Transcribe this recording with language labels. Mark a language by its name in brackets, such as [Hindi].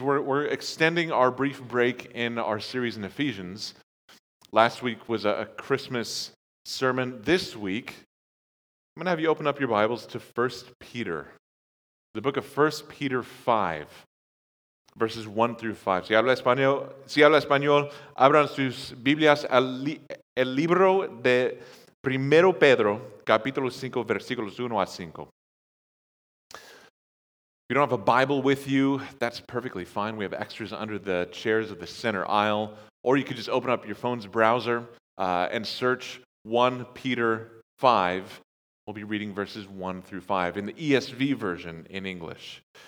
[English] We're extending our brief break in our series in Ephesians. Last week was a Christmas sermon. This week, I'm going to have you open up your Bibles to 1 Peter, the book of 1 Peter 5, verses 1 through 5. [Spanish] Si habla español, abran sus Biblias el libro de Primero Pedro, capítulo 5, versículos 1 a 5. [English] If you don't have a Bible with you, that's perfectly fine. We have extras under the chairs of the center aisle. Or you could just open up your phone's browser and search 1 Peter 5. We'll be reading verses 1 through 5 in the ESV version in English.